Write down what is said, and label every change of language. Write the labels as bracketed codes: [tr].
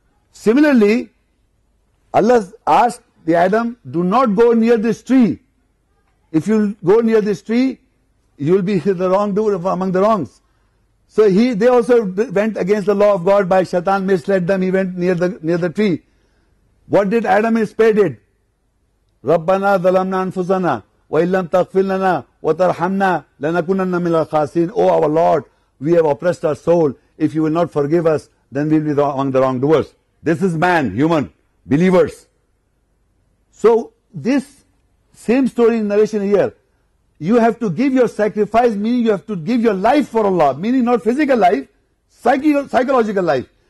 [en] Similarly, Allah asked the Adam, do not go near this tree. If you go near this tree, you'll be the wrongdoer among the wrongs. So they also went against the law of God by Shaitan, misled them, he went near the tree. What did Adam and his pair did? [ar] ربنا ظلمنا أنفسنا وإن لم تغفر لنا وترحمنا لنكونن من الخاسرين. [en] Oh our Lord, we have oppressed our soul. If you will not forgive us, then we'll be among the wrongdoers. This is man, human, believers. So this same story in narration here. You have to give your sacrifice, meaning you have to give your life for Allah, meaning not physical life, psychological life.